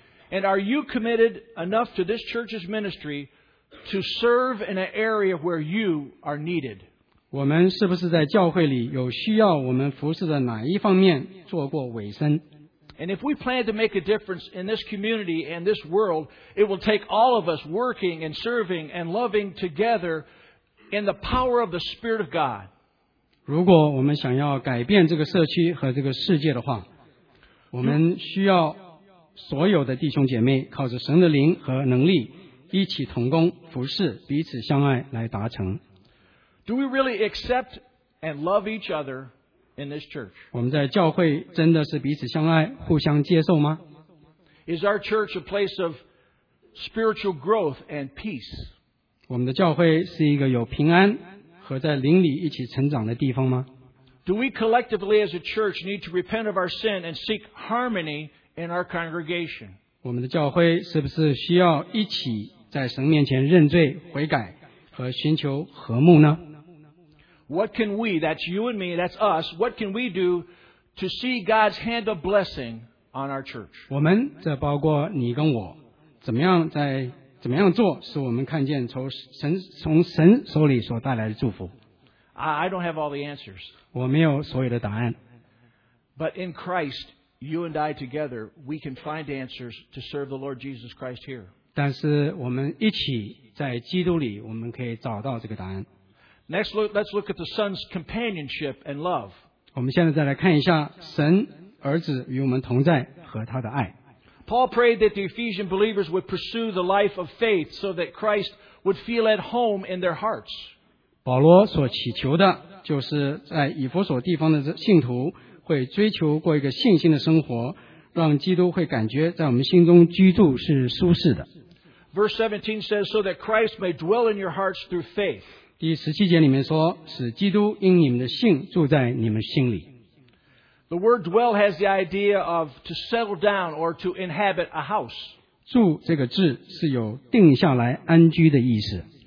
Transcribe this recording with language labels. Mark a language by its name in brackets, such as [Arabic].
[English] And are you committed enough to this church's ministry to serve in an area where you are needed? [Chinese] 我们是不是在教会里有需要我们服侍的哪一方面做过委身？ [English] And if we plan to make a difference in this community and this world, it will take all of us working and serving and loving together in the power of the Spirit of God. [Chinese] 如果我们想要改变这个社区和这个世界的话，我们需要所有的弟兄姐妹靠着神的灵和能力一起同工服侍，彼此相爱来达成。 [English] Do we really accept and love each other in this church? [Chinese] 我们在教会真的是彼此相爱，互相接受吗？ [English] Is our church a place of spiritual growth and peace? [Chinese] 我们的教会是一个有平安和在灵里一起成长的地方吗？ [English] Do we collectively as a church need to repent of our sin and seek harmony in our congregation? [Chinese] 我们的教会是不是需要一起在神面前认罪悔改和寻求和睦呢？ [English] What can we, that's you and me, that's us, what can we do to see God's hand of blessing on our church? [Chinese] 我们这包括你跟我怎么样做使我们看见从神手里所带来的祝福。 [English] I don't have all the answers. [Chinese] 我没有所有的答案。 [English] But in Christ, you and I together, we can find answers to serve the Lord Jesus Christ here. [Chinese] 但是我们一起在基督里我们可以找到这个答案。 [English] Next, let's look at the Son's companionship and love. [Chinese] 我们现在再来看一下神儿子与我们同在和他的爱。 [English] Paul prayed that the Ephesian believers would pursue the life of faith so that Christ would feel at home in their hearts. [Chinese] 保罗所祈求的就是在以弗所地方的信徒会追求过一个信心的生活，让基督会感觉在我们心中居住是舒适的。 [English] Verse 17 says, so that Christ may dwell in your hearts through faith. [Chinese] 第十七节里面说，使基督因你们的信住在你们心里。 [English] The word dwell has the idea of to settle down or to inhabit a house. [Chinese] 住这个字是有定下来安居的意思。